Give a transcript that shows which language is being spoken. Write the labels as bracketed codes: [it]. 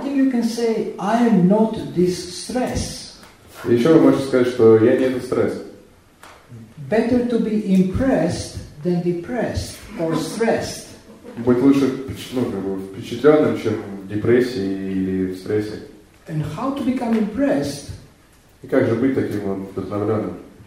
[en] One thing you can say, I am not this stress. [ru] Еще вы можете сказать, что я не этот стресс. [en] Better to be impressed than depressed or stressed. [ru] Быть лучше впечатленным, чем в депрессии или в стрессе. [en] And how to become impressed? [ru] И как же быть таким вдохновленным?